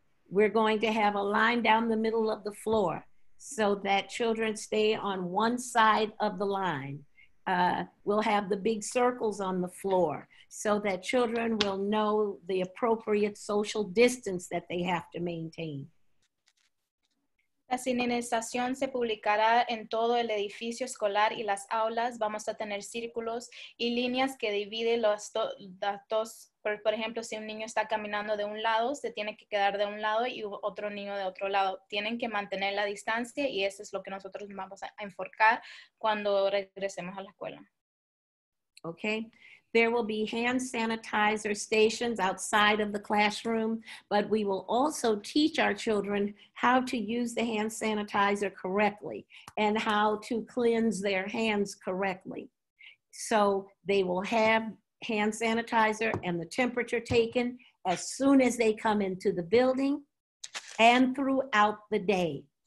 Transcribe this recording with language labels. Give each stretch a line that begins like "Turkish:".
English: We're going to have a line down the middle of the floor so that children stay on one side of the line. We'll have the big circles on the floor so that children will know the appropriate social distance that they have to maintain.
Spanish: La señalización se publicará en todo el edificio escolar y las aulas. Vamos a tener círculos y líneas que dividen los datos. Por ejemplo, si un niño está caminando de un lado, se tiene que quedar de un lado y otro niño de otro lado. Tienen que mantener la distancia y eso es lo que nosotros vamos a enfocar cuando regresemos a la escuela.
English: Okay. There will be hand sanitizer stations outside of the classroom, but we will also teach our children how to use the hand sanitizer correctly and how to cleanse their hands correctly. So they will have hand sanitizer and the temperature taken as soon as they come into the building and throughout the day.